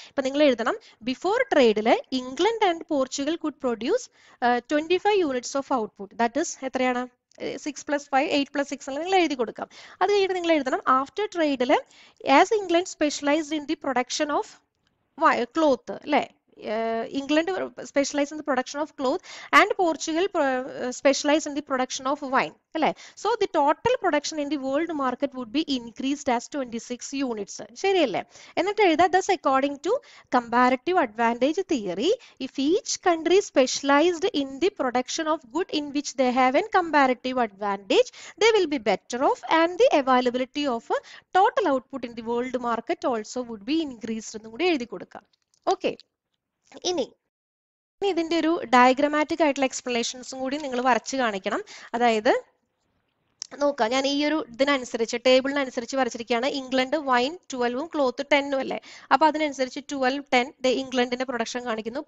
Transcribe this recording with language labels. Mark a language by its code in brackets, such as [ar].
[ml] ഇപ്പൊ നിങ്ങൾ എഴുതണം [en] Before ട്രേഡില് England and Portugal could produce 25 units of output. That is [ml] എത്രയാണ്? [en] 6 + 5 = 8 + 6 [ml] എന്ന് നിങ്ങൾ എഴുതി കൊടുക്കാം. അത് കഴിഞ്ഞ് നിങ്ങൾ എഴുതണം [en] After ട്രേഡില് as England specialized in the production of cloth അല്ലെ, England specialized in the production of cloth and Portugal specialized in the production of wine. Right? So the total production in the world market would be increased as 26 units. Right? Thus, according to comparative advantage theory, if each country specialized in the production of good in which they have a comparative advantage, they will be better off and the availability of a total output in the world market also would be increased. Okay. [ml] ഇനി ഇതിന്റെ ഒരു diagrammatic ആയിട്ടുള്ള എക്സ്പ്ലനേഷൻസും കൂടി നിങ്ങൾ വരച്ചു കാണിക്കണം. അതായത് നോക്കാം, ഞാൻ ഈ ഒരു ഇതിനനുസരിച്ച് ടേബിളിനനുസരിച്ച് വരച്ചിരിക്കുകയാണ്. ഇംഗ്ലണ്ട് വൈൻ 12ഉം ക്ലോത്ത് 10ഉം അല്ലേ. അപ്പൊ അതിനനുസരിച്ച് 12 10 ഇംഗ്ലണ്ടിന്റെ പ്രൊഡക്ഷൻ കാണിക്കുന്നു.